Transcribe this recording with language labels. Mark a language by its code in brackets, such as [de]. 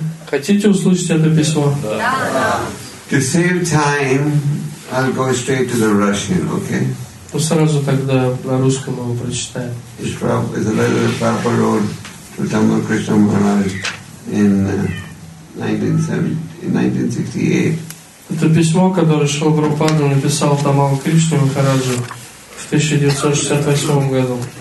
[ru] Хотите услышать это письмо? [en] To save time, I'll go straight to the Russian, okay? [ru] Ну, сразу тогда на русском его прочитаем. [en] It's probably the letter that Prabhupada wrote to Tamil Krishna Maharaj in 1968. [ru] Это письмо, которое Шрила Прабхупада написал Тамал Кришне Махараджу в 1968 году.